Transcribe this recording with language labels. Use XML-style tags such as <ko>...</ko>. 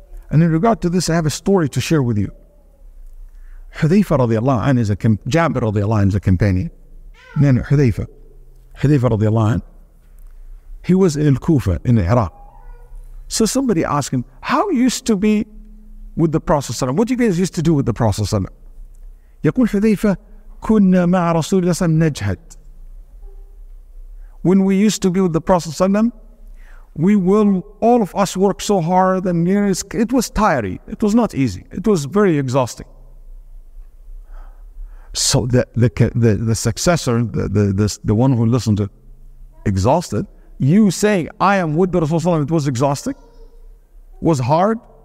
<en>And in regard to this, I have a story to share with you. Hudhayfa radiallahu anhu is a Jabir radiallahu anhu is a companion. Then Hudhayfa. Hudhayfa radiallahu anhu. He was in Al-Kufa in Iraq. So somebody asked him, how used to be with the Prophet ﷺ? What do you guys used to do with the Prophet ﷺ?</en> <ar>يقول حذيفة كنا مع رسول الله صلى الله عليه وسلم.</ar> <en>When we used to be with the Prophet ﷺ, we will, all of us work so hard and you know, it was tiring. It was not easy. It was very exhausting. So the successor, the one who listened to exhausted, you say, I am with the Rasulullah, it was exhausting, was hard.</en>